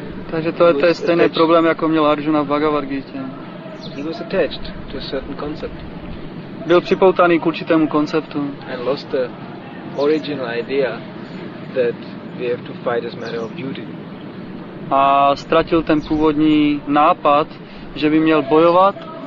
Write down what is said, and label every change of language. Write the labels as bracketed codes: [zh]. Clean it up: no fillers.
[cs] Takže to je ten stejný problém, jako měl Arjuna v Bhagavad Gita. [en] He was attached to a certain concept. [cs] Byl připoutaný k určitému konceptu. [en] And lost the original idea that we have to fight as a matter of duty. [cs] A ztratil ten původní nápad, že by měl bojovat.